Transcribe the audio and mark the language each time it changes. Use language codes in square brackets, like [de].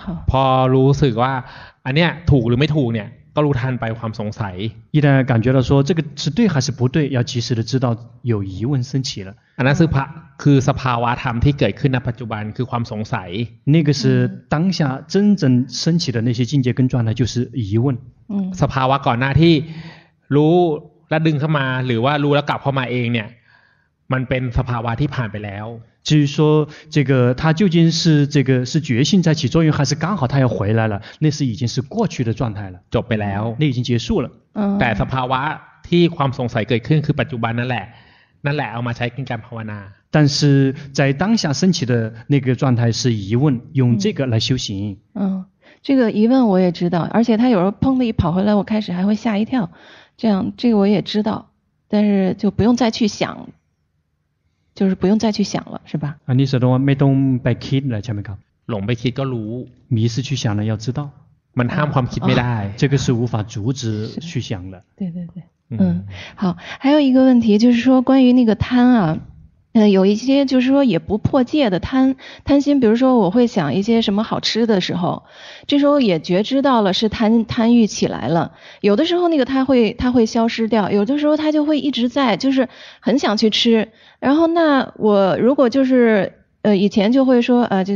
[th] พอรู้สึกว่าอันเนี้ยถูกหรือไม่ถูกเนี่ยก็รู้ทันไปความสงสัย [zh] 一旦感觉到说这个是对还是不对要及时的知道有疑问升起了 [th] อันนั้นคือสภาวะธรรมที่เกิดขึ้นในปัจจุบันคือความสงสัย [zh] 那个是当下真正升起的那些境界跟状态就是疑问 [th] สภาวะก่อนหน้าที่รู้แล้วดึงเข้ามาหรือว่ารู้แล้วกลับเข้ามาเองเนี่ยมันเป็นสภาวะที่ผ่านไปแล้ว [zh] 至于说这个他究竟是这个是觉性在起作用还是刚好他要回来了那是已经是过去的状态了 [th] จบไปแล้ว [zh] 那已经结束了 [th] แต่สภาวะที่ความสงสัยเกิดขึ้นคือปัจจุบันนั่นแหละเอามาใช้กับการภาวนา [zh] 但是在当下升起的那个状态是疑问用这个来修行这个疑问我也知道而且他有时候砰的一跑回来我开始还会吓一跳这样这个我也知道但是就不用再去想就是不用再去想了是吧 [th] อันนี้สะดงว่าไม่ต้องไปคิดเลยใช่ไหมครับ หลงไปคิดก็รู้ มีสิ [zh] 去想了要知道 [th] มันห้ามความคิดไม่ได้ [zh] 这个是无法阻止去想了对对对好还有一个问题就是说关于那个贪啊有一些就是说也不破戒的贪心比如说我会想一些什么好吃的时候这时候也觉知到了是贪欲起来了有的时候那个它会消失掉有的时候它就会一直在就是很想去吃然后那我如果就是以前就会说